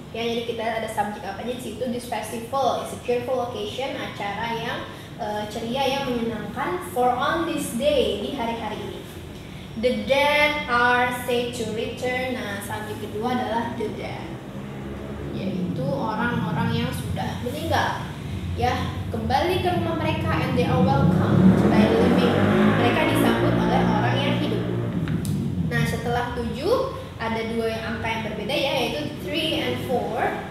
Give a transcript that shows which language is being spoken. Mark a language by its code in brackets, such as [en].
[id] Ya, jadi kita ada subjek apa aja di situ. [en] This festival is a cheerful occasion, [id] acara yang ceria, yang menyenangkan. [en] For on this day, [id] di hari-hari ini. [en] The dead are said to return. [id] Nah, subjek kedua adalah the dead, yaitu orang-orang yang sudah meninggal. Ya, kembali ke rumah mereka, [en] and they are welcome by the living. [id] Mereka disambut oleh orang yang hidup. Nah, setelah 7, ada dua yang angka yang berbeda ya, yaitu 3 and 4.